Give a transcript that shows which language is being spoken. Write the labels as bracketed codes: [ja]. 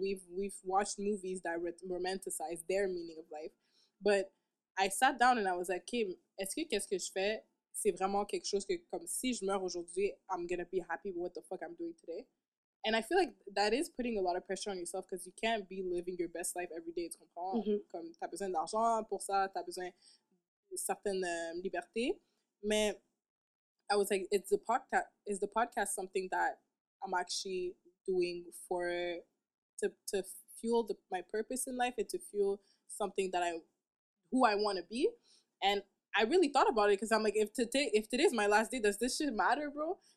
[en] We've watched movies that romanticize their meaning of life. But I sat down and I was like, okay, [fr] est-ce que qu'est-ce que je fais, c'est vraiment quelque chose que, comme, si je meurs aujourd'hui, [en] I'm going to be happy with what the fuck I'm doing today? And I feel like that is putting a lot of pressure on yourself because you can't be living your best life every day, [fr] tu comprends? Mm-hmm. Comme, t'as besoin d'argent pour ça, t'as besoin de certaines libertés. [en] Mais I was like, is the podcast something that I'm actually doing to fuel my purpose in life and to fuel something that I want to be? And I really thought about it because I'm like, if today's my last day, does this shit matter, bro?